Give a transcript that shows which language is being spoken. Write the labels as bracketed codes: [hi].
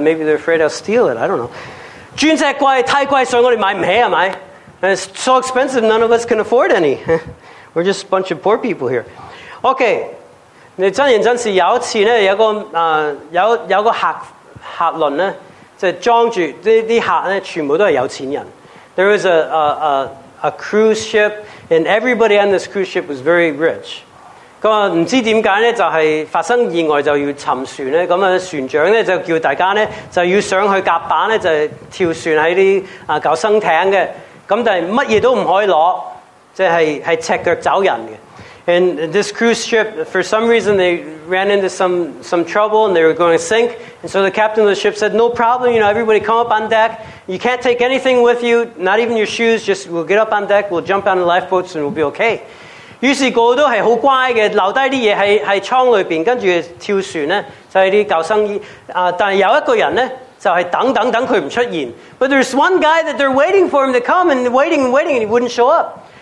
[en] Maybe they're afraid I'll steal it. I don't know. [yue] 鑽石貴，太貴，所以我哋買唔起，係咪？ [en] It's so expensive, none of us can afford any. We're just a bunch of poor people here. Okay. [yue] 你真言真事有一次咧，有个有个客轮咧，就装住啲客咧，全部都系有钱人。 [en] There was a cruise ship, and everybody on this cruise ship was very rich. [yue] 咁啊，唔知点解咧，就系发生意外就要沉船咧。咁啊，船长咧就叫大家咧就要上去甲板咧，就跳船喺啲救生艇嘅。咁但系乜嘢都唔可以攞，即系赤脚走人嘅。 [en] And this cruise ship, for some reason, they ran into some trouble and they were going to sink. And so the captain of the ship said, no problem, you know, everybody come up on deck. You can't take anything with you, not even your shoes. Just we'll get up on deck, we'll jump on the lifeboats and we'll be okay. [yue] 於是個都係好乖嘅，留低啲嘢喺艙裏邊，跟住跳船咧，就係啲救生衣。但係有一個人咧，就係等佢唔出現。 [en] But there's one guy that they're waiting for him to come and waiting, and he wouldn't show up.